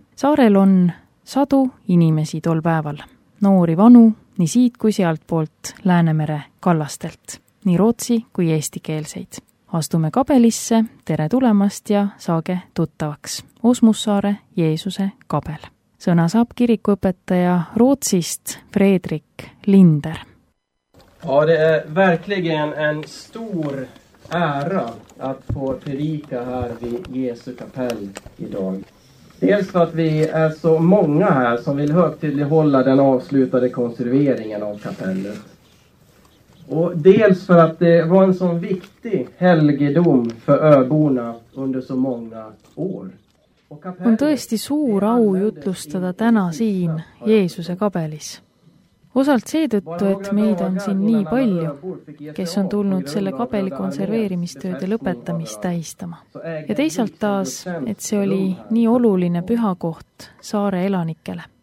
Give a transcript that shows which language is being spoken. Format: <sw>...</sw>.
<et>Saarel on sadu inimesi tol päeval, noori vanu nii siit kui sealt poolt Läänemere kallastelt, nii rootsi kui eesti keelseid. Astume kabelisse, tere tulemast ja saage tuttavaks. Osmussaare Jeesuse kabel. Sõna saab kirikuõpetaja Rootsist Fredrik Linder.</et> <sv>Ja, det är verkligen en stor ära att få predika här vid Jesu kapell idag. Dels för att vi är så många här som vill högtidlighålla den avslutade konserveringen av kapellet. Och dels för att det var en sån viktig helgedom för öborna under så många år.</sv> <et>On tõesti suur au jutlustada täna siin Jeesuse kabelis. Osalt seetõttu, et meid on siin nii palju, kes on tulnud selle kabeli konserveerimistööde lõpetamist tähistama. Ja teisalt taas, et see oli nii oluline pühakoht saare elanikele.</et>